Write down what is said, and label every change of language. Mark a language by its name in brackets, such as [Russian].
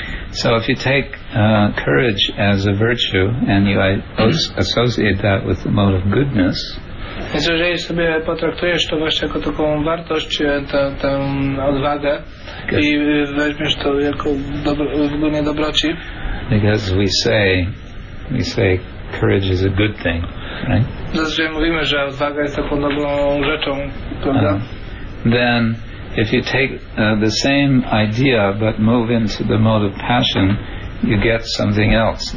[English] So if you take courage as a virtue and you associate that with the mode of goodness, [Polish] jeżeli sobie potraktujesz to właśnie jako taką wartość, tę odwagę, i weźmiesz to jako ogólnie dobroci. [English] Because we say courage is a good thing, right? [Polish] Zazwyczaj mówimy, że odwaga jest taką dobrą rzeczą, prawda? [English] Then if you take the same idea but move into the mode of passion, you get something else.